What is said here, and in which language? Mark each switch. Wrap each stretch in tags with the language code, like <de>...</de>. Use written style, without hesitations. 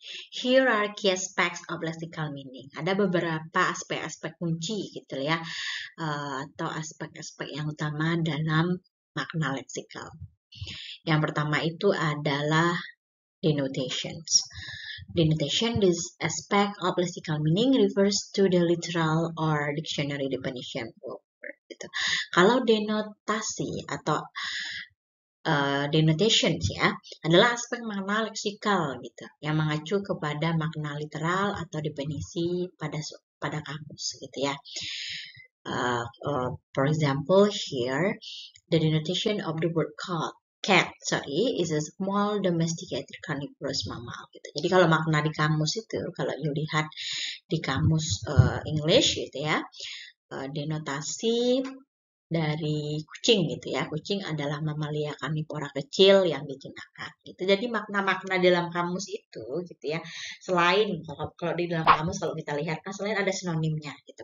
<en>Here are key aspects of lexical meaning.</en> <id>Ada beberapa aspek-aspek kunci gitu ya, atau aspek-aspek yang utama dalam makna lexical. Yang pertama itu adalah</id> <en>denotations. Denotation, this aspect of lexical meaning refers to the literal or dictionary definition.</en> <id>Gitu. Kalau denotasi atau denotations ya adalah aspek makna leksikal gitu yang mengacu kepada makna literal atau definisi pada kamus gitu ya.</id> <en>For example here the denotation of the word called cat, sorry, is a small domesticated carnivorous mammal.</en> <id>Gitu. Jadi kalau makna di kamus itu, kalau you lihat di kamus English gitu ya, denotasi dari kucing gitu ya, kucing adalah mamalia karnivora kecil yang dijinakkan. Gitu. Jadi makna-makna dalam kamus itu, gitu ya, selain kalau, kalau di dalam kamus kalau kita lihat, kan selain ada sinonimnya, gitu.</id>